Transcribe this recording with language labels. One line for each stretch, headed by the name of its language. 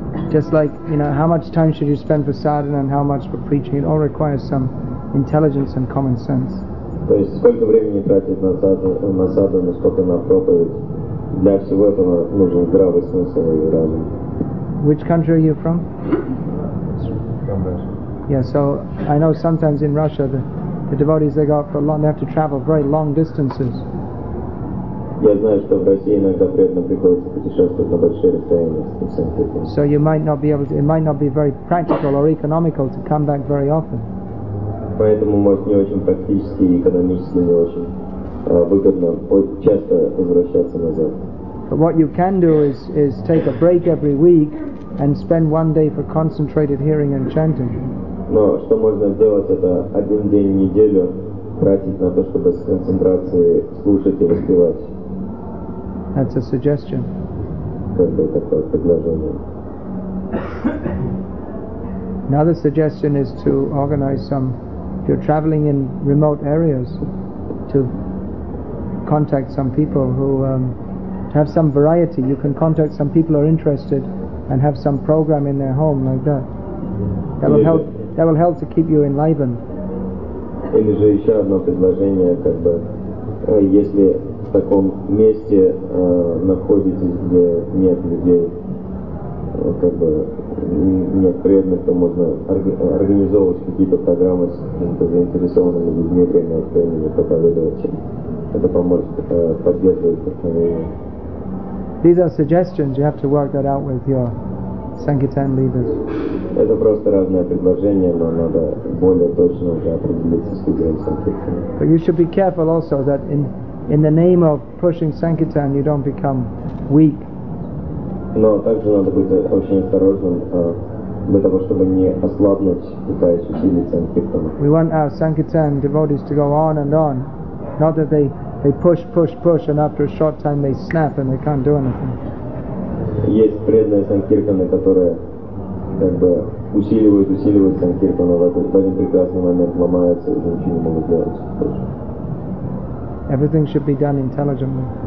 English: Just like, how much time should you spend for sadhana and how much for preaching? It all requires some intelligence and common sense.
Russian: То есть сколько времени тратить на садхану, сколько на проповедь. Для всего этого нужен здравый смысл и разум.
English: Which country are you from? From Russia. Yeah, so I know sometimes in Russia the devotees they go for a long, they have to travel very long distances.
Russian: Я знаю, что в России иногда преданным приходится путешествовать на большие расстояния.
English: So you might not be able to, it might not be very practical or economical to come back very often.
Russian: Поэтому может не очень практически и экономически не очень выгодно часто возвращаться назад.
English: But what you can do is take a break every week and spend one day for concentrated hearing and chanting.
Russian: Но что можно сделать, это один день в неделю тратить на то, чтобы с концентрацией слушать и воспевать.
English: That's a suggestion.
Russian: Такое предложение.
English: Another suggestion is to organize some, if you're traveling in remote areas, to contact some people who have some variety. You can contact some people who are interested and have some program in their home like that. That will help to keep you enlivened.
Russian: Или же еще одно предложение, как бы, если в таком месте находитесь, где нет людей, как бы, нет преданных, то можно организовывать какие-то программы с заинтересованными людьми время от времени, проповедовать им. Это поможет поддерживать постановление.
English: These are suggestions, you have to work that out with your Sankirtan leaders.
Russian: Это просто разные предложения, но надо более точно уже определиться с людьми Sankirtan.
English: But you should be careful also that in the name of pushing Sankirtan you don't become weak.
Russian: Но также надо быть очень осторожным для того, чтобы не ослабнуть, пытаясь усилить Sankirtan.
English: We want our Sankirtan devotees to go on and on, not that they push, push, push, and after a short time they snap and they can't do anything.
Russian: Есть преданные санкиртаны, которые как бы усиливают санкиртану, а в один прекрасный момент ломаются и ничего не могут делать.
English: Everything should be done intelligently.